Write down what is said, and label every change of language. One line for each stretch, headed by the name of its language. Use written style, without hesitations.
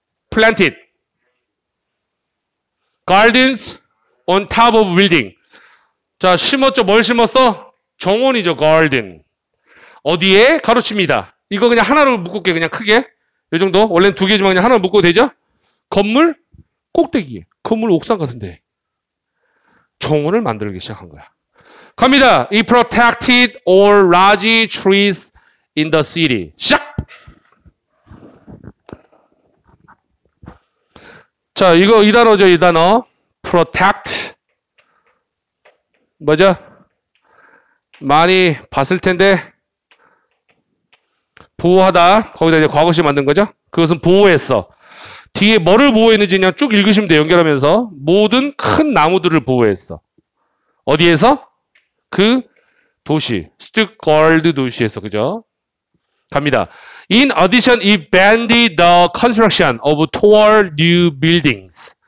English: planted gardens on top of building.
Korean: 자, 심었죠. 뭘 심었어? 정원이죠. garden. 어디에? 가로칩니다. 이거 그냥 하나로 묶을게. 그냥 크게. 요 정도. 원래는 두 개지만 그냥 하나로 묶어도 되죠? 건물 꼭대기에. 건물 옥상 같은데. 정원을 만들기 시작한 거야. 갑니다.
English: It protected all large trees in the city.
Korean: 시작! 자, 이거 이 단어죠, 이 단어. protect. 뭐죠? 많이 봤을 텐데. 보호하다. 거기다 이제 과거시 만든 거죠? 그것은 보호했어. 뒤에 뭐를 보호했는지 그냥 쭉 읽으시면 돼요. 연결하면서. 모든 큰 나무들을 보호했어. 어디에서? 그 도시, 스튜트가르트 도시에서, 그죠? 갑니다.
English: In addition, it banned the construction of tall new buildings.